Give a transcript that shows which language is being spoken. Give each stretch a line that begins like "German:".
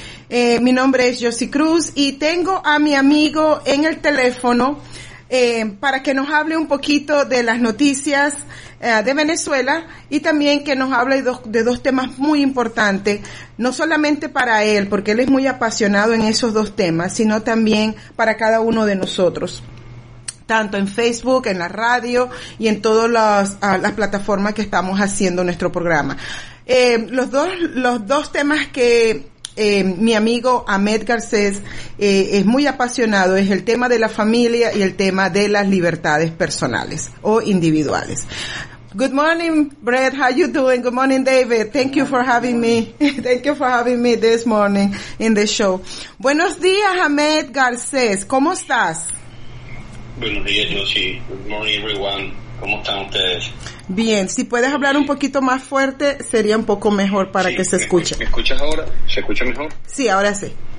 Spanish: Mi nombre es Josie Cruz y tengo a mi amigo en el teléfono para que nos hable un poquito de las noticias de Venezuela y también que nos hable de dos temas muy importantes, no solamente para él, porque él es muy apasionado en esos dos temas, sino también para cada uno de nosotros, tanto en Facebook, en la radio y en todas las plataformas que estamos haciendo nuestro programa. Los dos temas que mi amigo Ahmed Garcés es muy apasionado es el tema de la familia y el tema de las libertades personales o individuales.
English: Good morning, Brett. How you doing? Good morning, David. Thank you for having me. Thank you for having me this morning in the show.
Spanish: Buenos días, Ahmed Garcés. ¿Cómo estás? Buenos días, Josie.
English: Good morning, everyone.
Spanish: ¿Cómo están ustedes? Bien. Si puedes hablar un poquito más fuerte, sería un poco mejor para que se escuche. ¿Me escuchas ahora? ¿Se escucha mejor? Sí, ahora sí.